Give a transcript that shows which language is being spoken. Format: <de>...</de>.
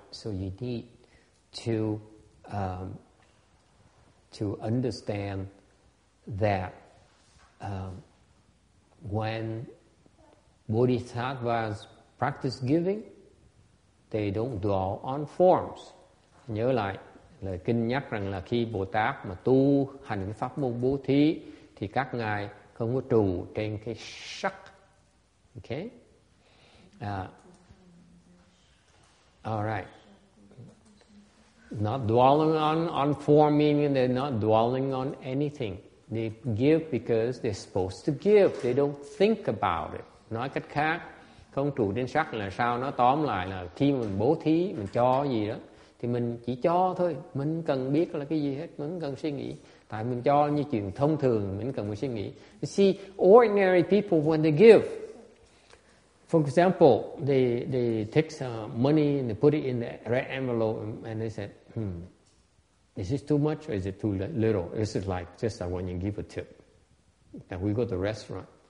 <en>So you need to understand that when bodhisattvas practice giving, they don't dwell on forms.</en> <vi>Nhớ lại, lời kinh nhắc rằng là khi Bồ Tát mà tu hành cái pháp môn bố thí, thì các ngài không có trụ trên cái sắc.</vi> <en>Okay? Alright. Not dwelling on form, meaning they're not dwelling on anything. They give because they're supposed to give. They don't think about it.</en> <vi>Nói cách khác, không trụ trên sắc là sao? Nó tóm lại là khi mình bố thí, mình cho gì đó, thì mình chỉ cho thôi. Mình cần biết là cái gì hết. Mình cần suy nghĩ. Tại mình cho như chuyện thông thường, mình cần phải suy nghĩ.</vi> <en>You see, ordinary people, when they give, for example, they take some money and they put it in the red envelope and they said, is this too much or is it too little? This is like just like when you give a tip. And we go to the restaurant.</en>